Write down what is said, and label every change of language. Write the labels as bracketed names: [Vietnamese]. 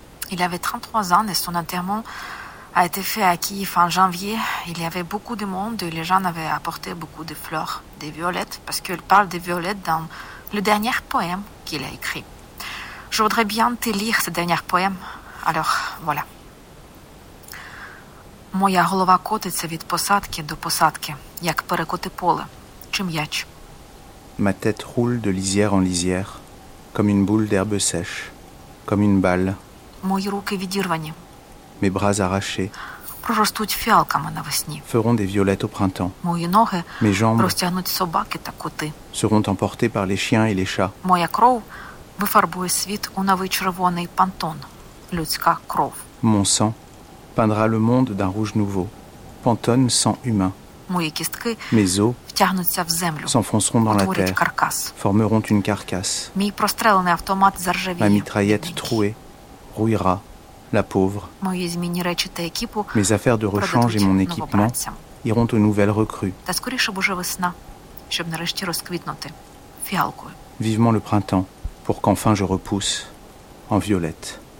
[French] Il avait 33 ans et son enterrement a été fait à Kiev en janvier. Il y avait beaucoup de monde et les gens avaient apporté beaucoup de fleurs, des violettes, parce qu'il parle des violettes dans le dernier poème qu'il a écrit. Je voudrais bien te lire ce dernier poème. Alors, voilà. [Ukrainian] Моя голова котиться від посадки до посадки, як перекоти поле, чи м'яч. [French] Ma tête roule de lisière en lisière, comme une boule d'herbe sèche, comme une balle. [Ukrainian] Мої руки відірвані. [French] Mes bras arrachés. [Ukrainian] Проростуть фіалками навесні. [French] Feront des violettes au printemps. [Ukrainian] Мої ноги. [French] Mes jambes. [Ukrainian] Розтягнуть собаки та коти. [French] Seront emportés par les chiens et les chats. [Ukrainian] Моя кров. Вифарбує світ у новий червоний пантон. Людська кров. [French] Mon sang peindra le monde d'un rouge nouveau. Pantone sang humain. [Ukrainian] Мої кістки. [French] Mes os. [Ukrainian] Втягнуться в землю. [French] S'enfonceront dans la terre. [Ukrainian] Утворять каркас. [French] Formeront une carcasse. [Ukrainian] Мій прострелений автомат заржавіє. [French] Ma mitraillette trouée rouillera. La pauvre. [Ukrainian] Мої змінні речі та екіпу. [French] Mes affaires de rechange et mon équipement iront aux nouvelles recrues. [Ukrainian] Та скоріше буже весна, щоб нарешті розквітнути фіалкою. [French] Vivement le printemps. Pour qu'enfin je repousse en violette.